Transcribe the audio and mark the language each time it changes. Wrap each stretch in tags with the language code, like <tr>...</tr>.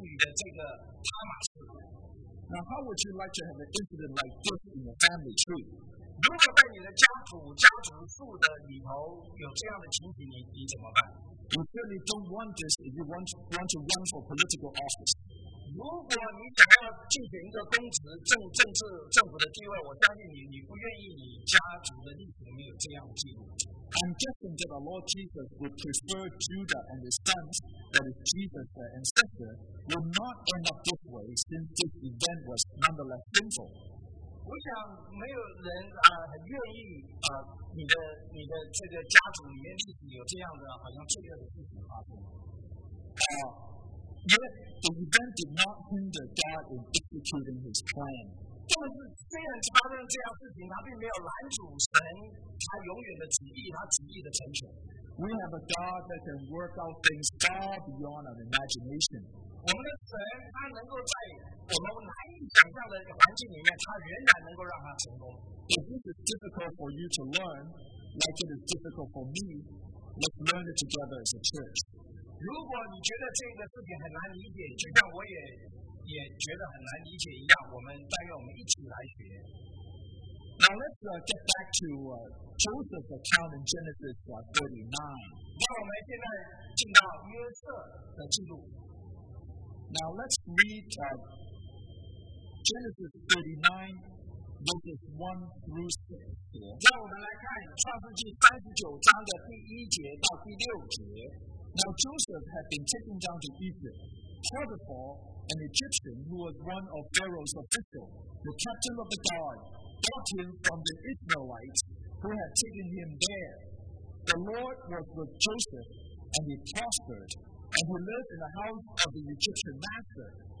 <en>Now, how would you like to have an incident like this in your family tree?</en> <zh>如果在你的家族树的里头有这样的情形，你怎么办</zh> <en>？You certainly don't want this if you want to run for political office.</en> <zh>如果你想要竞选一个公职政府的地位，我相信你不愿意你家族的历史里面有这样的记录。</zh> <en>I'm guessing that our Lord Jesus would prefer Judah and his sons, that is Jesus, their ancestor, would not end up this way, since this event was nonetheless sinful.</en> <zh>我想没有人很愿意你的这个家族里面自己有这样的好像罪恶的事情发生。</zh> <en>Yet the event did not hinder God in executing His plan.</en> <zh>但是虽然发生这样事情，他并没有拦阻神他永远的旨意，他旨意的成全。</zh> <en>We have a God that can work out things far beyond our imagination.</en> <zh>我们的神他能够在。我们难以想象的环境里面，他仍然能够让他成功。</zh> <en>If this is difficult for you to learn, like it is difficult for me, let's learn it together as a church.</en> <zh>如果你觉得这个事情很难理解，就像我也觉得很难理解一样，我们但愿我们一起来学。</zh> <en>Now let's get back to Joseph's account in Genesis 39.</en> <zh>那我们现在进到约瑟的记录。</zh> <en>Now let's read. Genesis 39, verses 1 through 6.</en> <zh>让我们来看创世纪三十九章的第一节到第六节。</zh> <en>Now Joseph had been taken down to Egypt. Potiphar, an Egyptian who was one of Pharaoh's officials, the captain of the guard, brought him from the Ishmaelites who had taken him there. The Lord was with Joseph, and he prospered, and he lived in the house of the Egyptian master.</en>